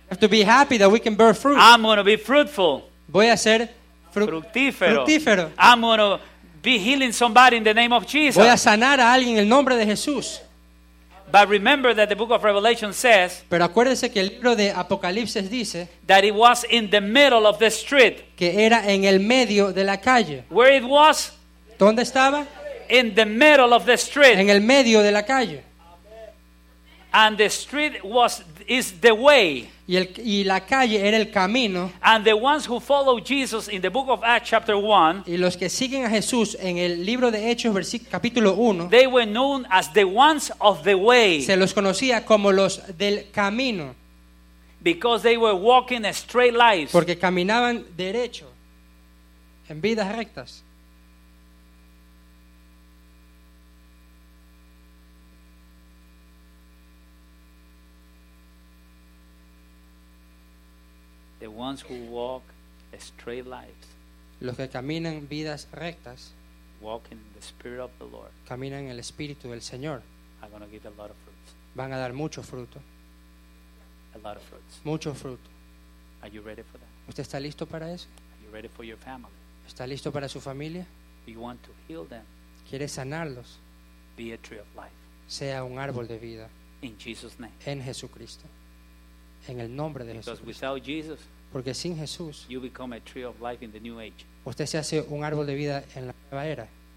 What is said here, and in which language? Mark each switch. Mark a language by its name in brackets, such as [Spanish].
[English] Have to be happy that we can bear fruit. I'm going to be fruitful. [Spanish] Voy a ser fructífero. Fructífero. [English] I'm going to be healing somebody in the name of Jesus. [Spanish] Voy a sanar a alguien en el nombre de Jesús. [English] But remember that the book of Revelation says, [Spanish] pero acuérdese que el libro de Apocalipsis dice, [English] that it was in the middle of the street, [Spanish] que era en el medio de la calle, [English] where it was. [Spanish] ¿Dónde estaba? [English] In the middle of the street. [Spanish] En el medio de la calle. [English] And the street is the way. [Spanish] Y la calle era el camino. [English] And the ones who follow Jesus in the book of Acts chapter 1. [Spanish] Y los que siguen a Jesús en el libro de Hechos capítulo 1. [English] They were known as the ones of the way. [Spanish] Se los conocía como los del camino. [English] Because they were walking a straight life. [Spanish] Porque caminaban derecho. En vidas rectas. [English] The ones who walk straight lives. [Spanish] Los que caminan vidas rectas. [English] Walk in the spirit of the Lord. [Spanish] Caminan en el espíritu del Señor. [English] Are going to give a lot of fruits. [Spanish] Van a dar mucho fruto. [English] A lot of fruits. [Spanish] Mucho fruto. [English] Are you ready for that? [Spanish] ¿Usted está listo para eso? [English] Are you ready for your family? [Spanish] ¿Está listo para su familia? [English] Do you want to heal them? [Spanish] ¿Quiere sanarlos? [English] Be a tree of life. [Spanish] Sea un árbol de vida. [English] In Jesus' name. [Spanish] En Jesucristo. En el nombre de Jesús. Porque sin Jesús, [English] you become a tree of life in the new age. [Spanish] Usted se hace un árbol de vida en la nueva era.